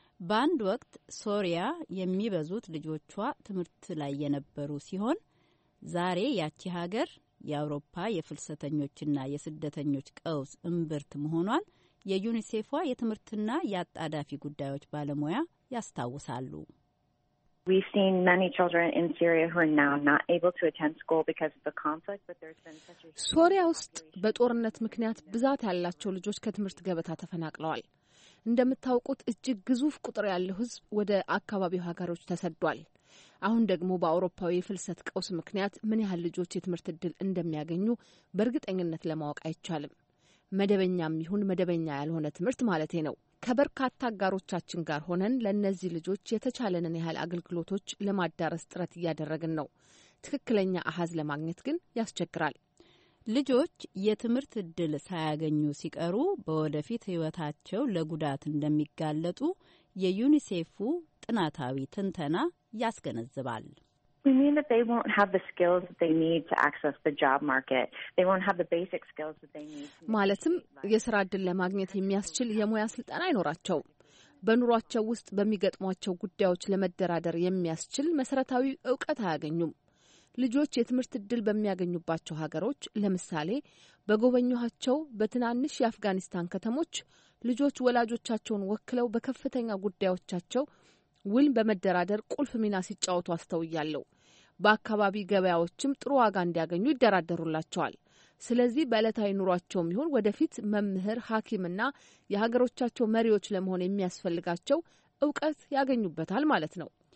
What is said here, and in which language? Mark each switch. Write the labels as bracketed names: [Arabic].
[Amharic] ባንድ ወቅት ሶሪያ የሚበዙት ልጆቿ ትምርት ላይ የነበሩ ሲሆን ዛሬ ያቺ ሀገር የአውሮፓ የፍልሰተኞችና የስደተኞች ቀውስ እንብርት መሆኗን የዩኒሴፏ የትምርትና ያጣዳፊ ጉዳዮች ባለሙያ ያስታውሳሉ። [English] We've seen many children in Syria who are now not able to attend school because of the conflict, but there's been such a [Amharic] ሶሪያ ውስጥ በጦርነት ምክንያት ብዛት ያላቸው ልጆች ከትምርት ገበታ ተፈናቅለዋል። እንደምታውቁት እጅግ ግዙፍ ቁጥር ያለው ህዝብ ወደ አካባቢው ሀገሮች ተሰዷል። አሁን ደግሞ በአውሮፓው የፍልሰት ቀውስ ምክንያት ምን ያህል ልጆች የትምርት ድል እንደሚያገኙ በርግጠኝነት ለማወቅ አይቻልም። መደበኛም ይሁን መደበኛ ያልሆነ ትምርት ማለቴ ነው። ከበርካታ አጋሮቻችን ጋር ሆነን ለነዚህ ልጆች የተቻለንን ያህል አገልግሎቶች ለማዳረስ ጥረት እያደረግን ነው። ትክክለኛ አሃዝ ለማግኘት ግን ያስቸግራል። ልጆች የትምርት ድል ሳያገኙ ሲቀሩ በወደፊት ህይወታቸው ለጉዳት እንደሚጋለጡ የዩኒሴፉ ጥናታዊ ትንተና ያስገነዝባል። [English] We mean that they won't have the skills that they need to access the job market. They won't have the basic skills that they need. [Amharic] ማለትም የሥራ ዕድል ለማግኘት የሚያስችል የሙያ ስልጠና አይኖራቸው። በኑሯቸው ውስጥ በሚገጥሟቸው ጉዳዮች ለመደራደር የሚያስችል መሰረታዊ ዕውቀት አያገኙም። ልጆች የትምርት ድል በሚያገኙባቸው ሀገሮች ለምሳሌ በጎበኙዋቸው በትናንሽ የአፍጋኒስታን ከተሞች ልጆች ወላጆቻቸውን ወክለው በከፍተኛ ጉዳዮቻቸው ውል በመደራደር ቁልፍ ሚና ሲጫወቱ አስተውያለሁ። በአካባቢ ገበያዎችም ጥሩ ዋጋ እንዲያገኙ ይደራደሩላቸዋል። ስለዚህ በዕለታዊ ኑሯቸውም ይሁን ወደፊት መምህር፣ ሐኪምና የሀገሮቻቸው መሪዎች ለመሆን የሚያስፈልጋቸው ዕውቀት ያገኙበታል ማለት ነው።